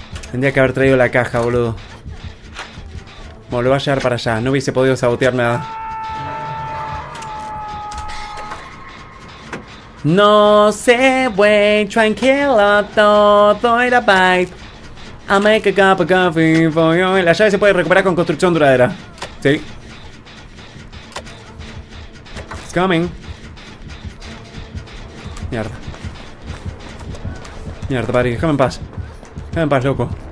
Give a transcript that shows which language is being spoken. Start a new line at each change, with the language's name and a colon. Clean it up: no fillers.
Spanish: Tendría que haber traído la caja, boludo. Bueno, lo voy a llevar para allá. No hubiese podido sabotear nada. No se fue, tranquilo, todo era bait.
English: I make a cup of coffee for you.
Spanish: La llave se puede recuperar con construcción duradera. Sí.
English: It's coming.
Spanish: Mierda. Mierda, padre, déjame en paz. Déjame en paz, loco.